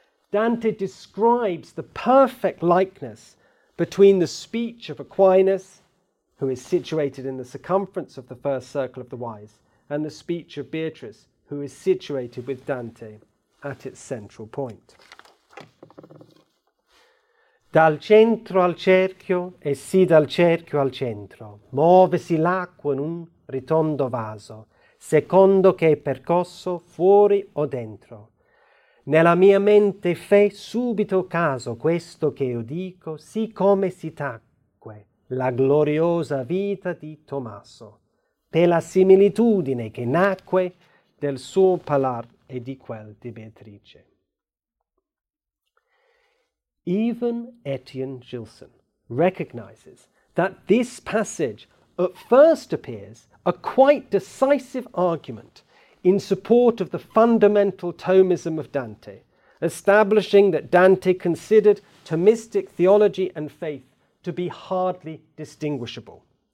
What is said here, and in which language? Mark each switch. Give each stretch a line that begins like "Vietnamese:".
English: Dante describes the perfect likeness between the speech of Aquinas, who is situated in the circumference of the first circle of the wise, and the speech of Beatrice, who is situated with Dante at its central point.
Italian: Dal centro al cerchio e sì dal cerchio al centro, muovesi l'acqua in un ritondo vaso, secondo che è percosso fuori o dentro. Nella mia mente fe subito caso questo che io dico, sì come si tacque la gloriosa vita di Tommaso, per la similitudine che nacque del suo parlar e di quel di Beatrice.
English: Even Etienne Gilson recognizes that this passage at first appears a quite decisive argument in support of the fundamental Thomism of Dante, establishing that Dante considered Thomistic theology and faith to be hardly distinguishable.